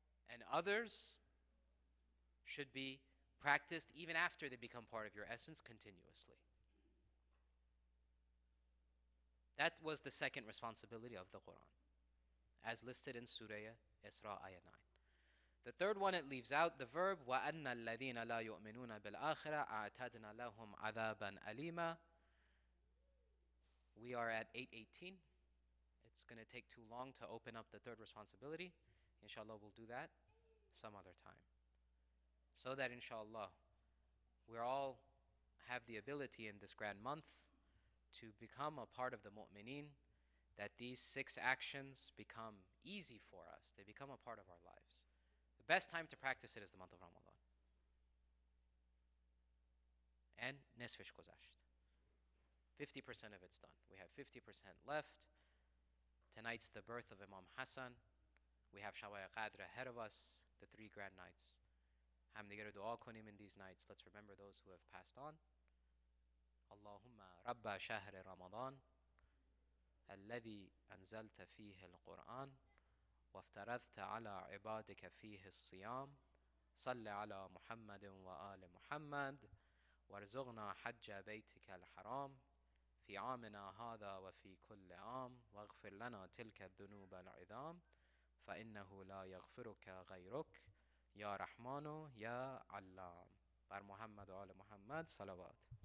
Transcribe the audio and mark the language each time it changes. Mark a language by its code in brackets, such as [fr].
[en] And others should be practiced even after they become part of your essence continuously. That was the second responsibility of the Quran, as listed in Surah Isra, Ayah 9. The third one, it leaves out the verb, [ar] وَأَنَّ الَّذِينَ لَا يُؤْمِنُونَ بِالْآخِرَةِ أَعْتَدْنَا لَهُمْ عَذَابًا أَلِيمًا. [en] We are at 8:18. It's going to take too long to open up the third responsibility. Inshallah, we'll do that some other time. So that inshallah, we all have the ability in this grand month to become a part of the mu'mineen, that these six actions become easy for us. They become a part of our lives. The best time to practice it is the month of Ramadan. And [fa] nisfish kozasht. [en] 50% of it's done. We have 50% left. Tonight's the birth of Imam Hassan. We have Shawaya Qadr ahead of us, the three grand nights. [fa] Hamdi gira dua konim [en] in these nights. Let's remember those who have passed on. [ar] اللهم رب شهر رمضان الذي أنزلت فيه القرآن وافترضت على عبادك فيه الصيام صل على محمد وآل محمد وارزقنا حج بيتك الحرام في عامنا هذا وفي كل عام واغفر لنا تلك الذنوب العظام فإنه لا يغفرك غيرك يا رحمن يا علام بر محمد وآل محمد صلوات.